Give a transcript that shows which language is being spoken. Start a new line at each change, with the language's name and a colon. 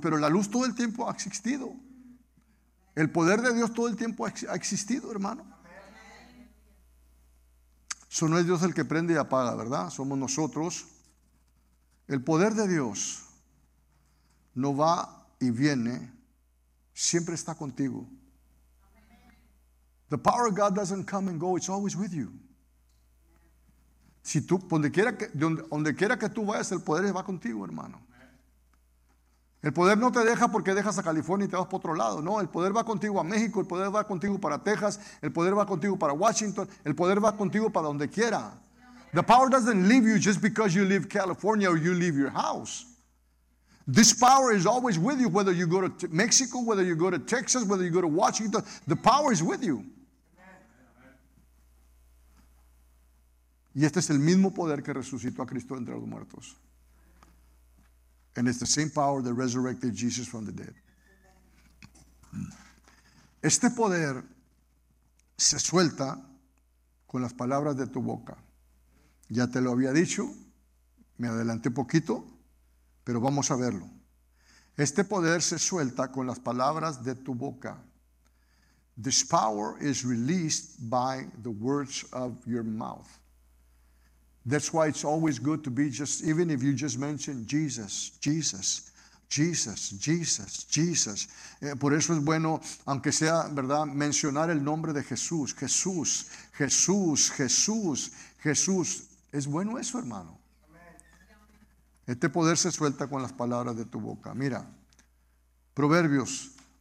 Spanish: Pero la luz todo el tiempo ha existido. El poder de Dios todo el tiempo ha existido, hermano. Eso no es Dios el que prende y apaga, ¿verdad? Somos nosotros. El poder de Dios no va y viene, siempre está contigo.
English: The power of God doesn't come and go, it's always with you.
Spanish: Si tú, donde quiera que tú vayas, el poder va contigo, hermano. El poder no te deja porque dejas a California y te vas para otro lado. No, el poder va contigo a México, el poder va contigo para Texas, el poder va contigo para Washington, el poder va contigo para donde quiera.
English: The power doesn't leave you just because you leave California or you leave your house. This power is always with you, whether you go to Mexico, whether you go to Texas, whether you go to Washington. The power is with you.
Spanish: Y este es el mismo poder que resucitó a Cristo entre los muertos.
English: And it's the same power that resurrected Jesus from the dead.
Spanish: Este poder se suelta con las palabras de tu boca. Ya te lo había dicho, me adelanté poquito, pero vamos a verlo. Este poder se suelta con las palabras de tu boca.
English: This power is released by the words of your mouth. That's why it's always good to be just, even if you just mention Jesus, Jesus, Jesus, Jesus, Jesus.
Spanish: Por eso es bueno, aunque sea, ¿verdad?, mencionar el nombre de Jesús. Jesús, Jesús, Jesús, Jesús. Es bueno eso, hermano. Este poder se suelta con las palabras de tu boca. Mira, Proverbios.